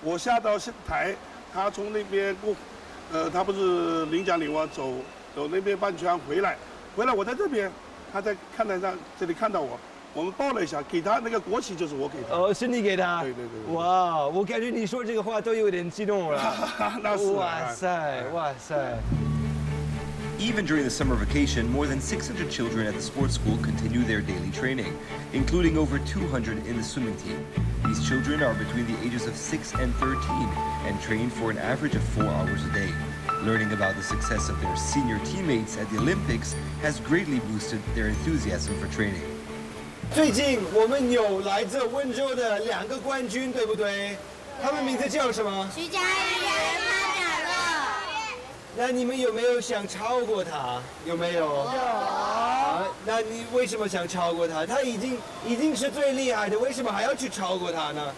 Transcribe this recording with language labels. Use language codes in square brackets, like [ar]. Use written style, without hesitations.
[zh] 我下到台，他从那边过，他不是领奖领完走那边半圈回来，我在这边，他在看台上这里看到我。我们抱了一下，给他那个国旗就是我给他。是你给他？对对对对。哇，我感觉你说这个话都有点激动了。那是。哇塞，哇塞。 [en] Even during the summer vacation, more than 600 children at the sports school continue their daily training, including over 200 in the swimming team. These children are between the ages of 6 and 13 and train for an average of 4 hours a day. Learning about the success of their senior teammates at the Olympics has greatly boosted their enthusiasm for training. [zh] 最近我们有来自温州的两个冠军，对不对？他们名字叫什么？徐佳悦、潘雅乐。那你们有没有想超过他？有没有？有。那你为什么想超过他？他已经是最厉害的，为什么还要去超过他呢？